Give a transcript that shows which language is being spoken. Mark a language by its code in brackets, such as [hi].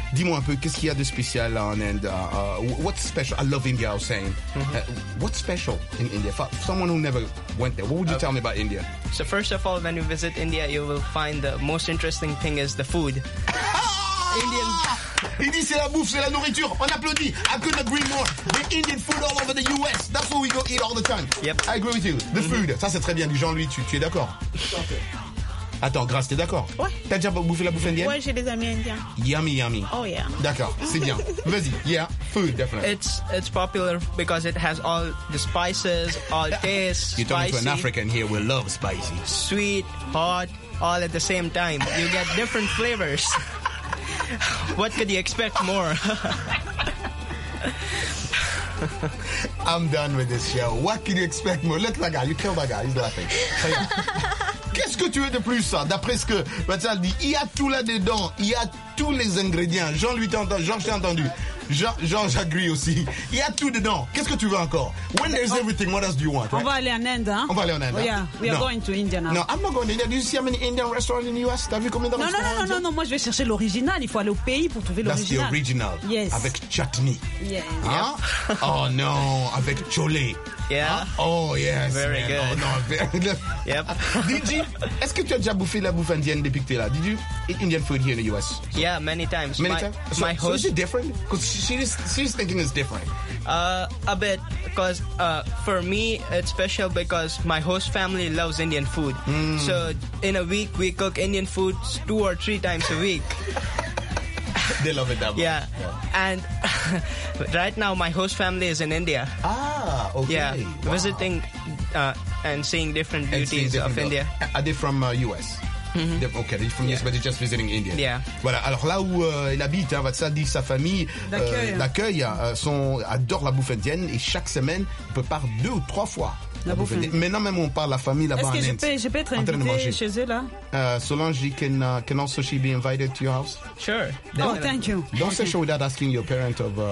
[fr] Dis-moi un peu, qu'est-ce qu'il y a de spécial en Inde? [en] What's special? I love India, I was saying. Mm-hmm. What's special in India? For someone who never went there, what would you tell me about India? So first of all, when you visit India, you will find the most interesting thing is the food. Indian. [fr] Il dit c'est la bouffe, c'est la nourriture. On applaudit. [en] I couldn't agree more. The Indian food all over the US. That's what we go eat all the time. Yep. I agree with you. The food. [fr] Ça, c'est très bien. Du genre, lui, tu es d'accord? Attends, Grace, t'es d'accord? Ouais. T'as déjà bouffé la bouffe indienne? Ouais, j'ai des amis indiens. [en] Yummy, yummy. Oh, yeah. [fr] D'accord, c'est bien. Vas-y, [en] yeah, food, definitely. It's popular because it has all the spices, all this, You're You're talking to an African here, we love spicy. Sweet, hot, all at the same time. You get different flavors. What could you expect more? I'm done with this show. What could you expect more? Look at that guy, you killed that guy, he's laughing. [fr] Qu'est-ce que tu veux de plus, ça? D'après ce que Vatsal dit, il y a tout là-dedans, il y a tous les ingrédients. Jean, j'agris aussi. Il y a tout dedans. Qu'est-ce que tu veux encore? [en] When there's everything, what else do you want? Right? [fr] On va aller en Inde, hein? On va aller en Inde. [en] We are going to India now. No, I'm not going to India. Do you see how many Indian restaurants in the US? [fr] T'as vu combien de restaurants? Non. Moi, je vais chercher l'original. Il faut aller au pays pour trouver l'original. [en] That's the original. Yes. [fr] Avec chutney. [en] Yeah. [fr] Hein? [en] Yep. [fr] Oh, non. Avec chole. [en] Yeah. Huh? Oh, yes. Very man. Good. [fr] Oh, non. [en] Yep. [fr] Est-ce que tu as déjà bouffé la bouffe indienne depuis que tu es là? [en] Did you eat Indian food here in the US? So, yeah, many times. Many times? My host. So is it different? Because she's thinking it's different. A bit. Because for me, it's special because my host family loves Indian food. Mm. So in a week, we cook Indian food 2 or 3 times a week. They love it that much. Yeah. And right now, my host family is in India. Ah, okay. Yeah, wow. Visiting and seeing different beauties of India. Are they from US? Mm-hmm. Ok, [fr] il est [en] from US, but he's just visiting India. Yeah. [fr] Voilà, alors là où il habite, hein, Vatsal dit sa famille d'accueil adore la bouffe indienne et chaque semaine, il prépare 2 ou 3 fois la bouffe indienne. Maintenant même, on parle la famille là-bas. Est-ce que je peux être invité chez eux là? [en] Solange, can also she be invited to your house? Sure. Definitely. Oh, thank you. Don't say sure without asking your parents of.